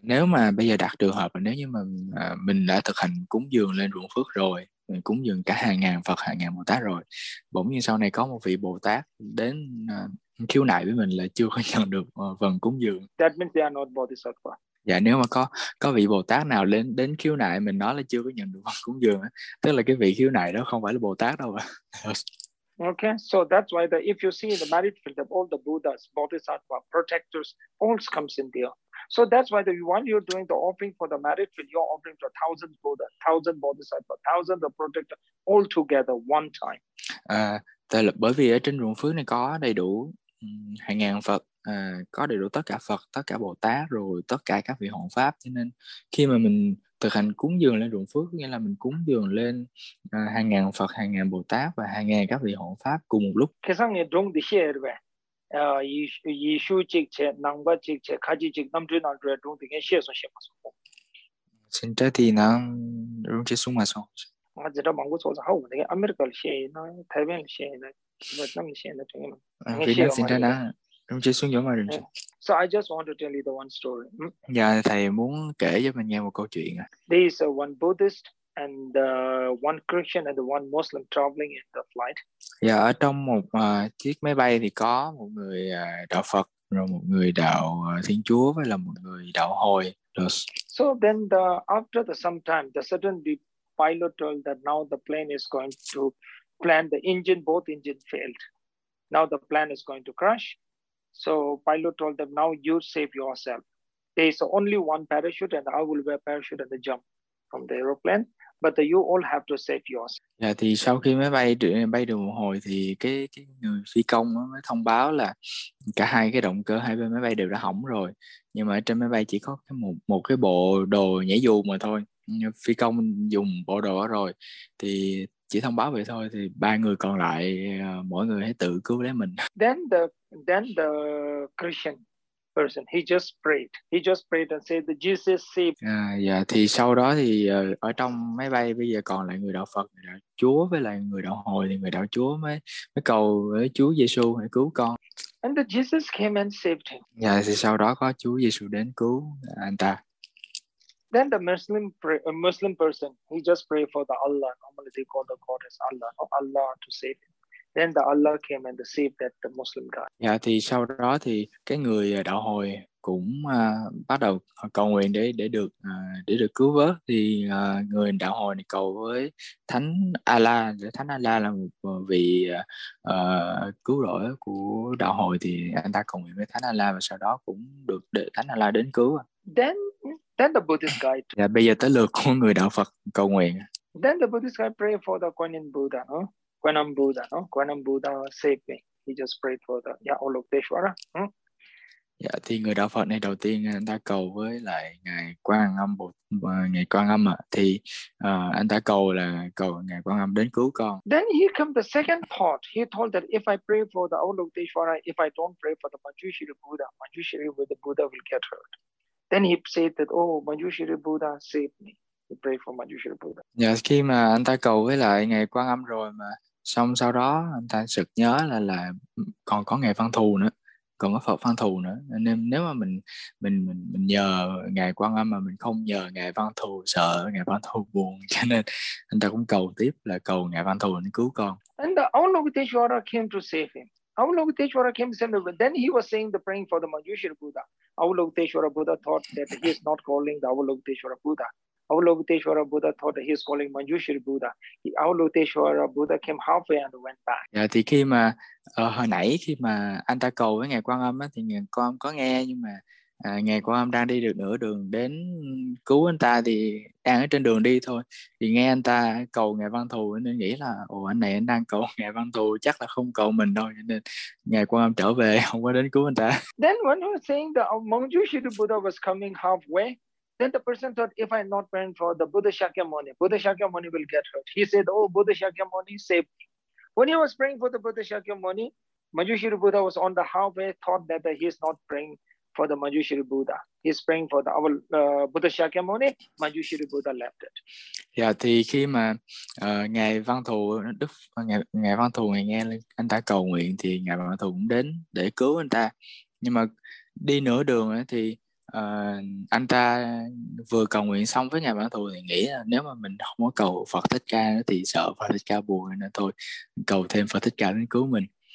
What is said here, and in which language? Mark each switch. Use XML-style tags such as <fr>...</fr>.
<vi>Nếu mà bây giờ đặt trường hợp là nếu như mà mình đã thực hành cúng dường lên ruộng phước rồi, mình cúng dường cả hàng ngàn Phật, hàng ngàn Bồ Tát rồi, bỗng nhiên sau này có một vị Bồ Tát đến khiếu nại với mình là chưa có nhận được phần cúng dường.</vi> <en>That means they are not Bodhisattva.</en> <vi>Dạ, nếu mà có vị Bồ Tát nào đến khiếu nại mình nói là chưa có nhận được phần cúng dường, tức là cái vị khiếu nại đó không phải là Bồ Tát đâu.</vi> <en>Okay, so that's why the if you see in the merit field of all the Buddhas, Bodhisattva, protectors, all comes in there. So that's why the one you're doing the offering for the merit field, you're offering to thousands Buddha, thousand Bodhisattva, thousands of protectors all together one time.</en> <vi>Bởi vì ở trên ruộng phước này có đầy đủ hàng ngàn Phật, có đầy đủ tất cả Phật, tất cả Bồ Tát, rồi tất cả các vị hộ pháp. Cho nên khi mà mình thực hành cúng dường lên ruộng phước, nghĩa là mình cúng dường lên hàng ngàn Phật, hàng ngàn Bồ Tát và hàng ngàn các vị hộ pháp cùng một lúc. Cái sáng ngày đông thì xe rồi vậy, y su chích chế, nang ba chích chế, khá chích chế, nam trí nang trí đông thì ngay xe xong xe mà xong. Xin trái thì nàng rung chế xuống mà xong. Mà dì đó bằng của xuống xa hậu, thì ngay America là xe, Thái Bên là xe, Việt Nam là xe, ngay xe mà. Vì nàng xin trái nàng rung chế xuống chỗ mà rung chế.</vi> <en>So I just want to tell you the one story.</en> <vi>Dạ, thầy muốn kể cho mình nghe một câu chuyện.</vi> <en>There is one Buddhist and one Christian and one Muslim traveling in the flight.</en> <vi>Dạ, ở trong một chiếc máy bay thì có một người đạo Phật, rồi một người đạo Thiên Chúa với là một người đạo Hồi. Rồi.</vi> <en>So then the after the some time, the certain the pilot told that now the plane is going to plan the engine, both engine failed. Now the plane is going to crash. So pilot told them, now you save yourself. There is only one parachute and I will wear parachute and the jump from the aeroplane. But you all have to save yours.</en> <vi>Dạ, thì sau khi máy bay bay được một hồi thì cái người phi công mới thông báo là cả hai cái động cơ hai bên máy bay đều đã hỏng rồi, nhưng mà trên máy bay chỉ có một cái bộ đồ nhảy dù mà thôi, phi công dùng bộ đồ đó rồi thì chỉ thông báo vậy thôi, thì ba người còn lại mỗi người hãy tự cứu lấy mình.</vi> <en>Then the Christian person, he just prayed and said that Jesus saved.</en> <vi>Dạ, thì sau đó thì ở trong máy bay bây giờ còn lại người đạo Phật, người đạo Chúa với lại người đạo Hồi, thì người đạo Chúa mới cầu với Chúa Giêsu hãy cứu con.</vi> <en>And the Jesus came and saved him.</en> <vi>Dạ, thì sau đó có Chúa Giêsu đến cứu anh ta.</vi> <en>Then the Muslim person, he just prayed for the Allah, normally they call the God as Allah, or Allah to save him. Then the Allah came and saved that the Muslim guy.</en> <vi>Dạ, thì sau đó thì cái người đạo Hồi cũng bắt đầu cầu nguyện để được cứu vớt, thì người đạo Hồi này cầu với Thánh Allah, để Thánh Allah là một vị cứu rỗi của đạo Hồi, thì anh ta cầu nguyện với Thánh Allah và sau đó cũng được Thánh Allah đến cứu.</vi> <en>Then the Buddhist guy.</en> <vi>Dạ, bây giờ tới lượt của người đạo Phật cầu nguyện.</vi> <en>Then the Buddhist guy pray for the Kuan Yin Buddha, no? Kuan Yin Buddha, no? Kuan Yin Buddha save me. He just prayed for the Avalokiteshvara.</en> <vi>Dạ, thì người đạo Phật này đầu tiên anh ta cầu với lại ngài Quan Âm Bồ, ngài Quan Âm ạ, thì anh ta cầu ngài Quan Âm đến cứu con.</vi> <en>Then he come the second thought. He told that if I pray for the Avalokiteshvara, if I don't pray for the Manjushri Buddha, Manjushri with the Buddha will get hurt. Then he said that, oh, Manjushri Buddha save me. He prayed for Manjushri Buddha.</en> <vi>Dạ, khi mà anh ta cầu với lại ngài Quan Âm rồi mà xong, sau đó anh ta sực nhớ là còn có ngài Văn Thù nữa, còn có Phật Văn Thù nữa, nên nếu mà mình nhờ ngài Quan Âm mà mình không nhờ ngài Văn Thù, sợ ngài Văn Thù buồn, cho nên anh ta cũng cầu tiếp là cầu ngài Văn Thù để cứu con.</vi> <en>And the Avalokiteshvara came to save him. Avalokiteshvara came to save him. Then he was saying the praying for the Manjushri Buddha. Avalokiteshvara Buddha thought that he is not calling the Avalokiteshvara Buddha. Avalokiteshvara Buddha thought that he is calling Manjushri Buddha. Avalokiteshvara Buddha came halfway and went back.</en> <vi>Dạ, thì khi mà hồi nãy khi mà anh ta cầu với ngài Quan Âm á, thì ngài Quan Âm có nghe, nhưng mà ngài Quan Âm đang đi được nửa đường đến cứu anh ta, thì đang ở trên đường đi thôi, thì nghe anh ta cầu ngài Văn Thù nên nghĩ là ồ, anh này anh đang cầu ngài Văn Thù chắc là không cầu mình đâu, cho nên ngài Quan Âm trở về không có đến cứu anh ta.</vi> <en>Then when he was saying the Manjushri Buddha was coming halfway, then the person thought, if I not praying for the Buddha Shakyamuni, Buddha Shakyamuni will get hurt. He said, oh, Buddha Shakyamuni save me. When he was praying for the Buddha Shakyamuni, Manjushri Buddha was on the halfway, thought that he is not praying for the Manjushri Buddha. He is praying for the Buddha Shakyamuni. Manjushri Buddha left it.</en> <vi>Dạ, thì khi mà ngài Văn Thù, Đức ngài Văn Thù ngài nghe anh ta cầu nguyện, thì ngài Văn Thù cũng đến để cứu anh ta. Nhưng mà đi nửa đường thì anh ta vừa cầu nguyện xong với ngài Văn Thù thì nghĩ là nếu mà mình không có cầu Phật Thích Ca nữa, thì sợ Phật Thích Ca buồn nên thôi cầu thêm Phật Thích Ca đến cứu mình.</vi>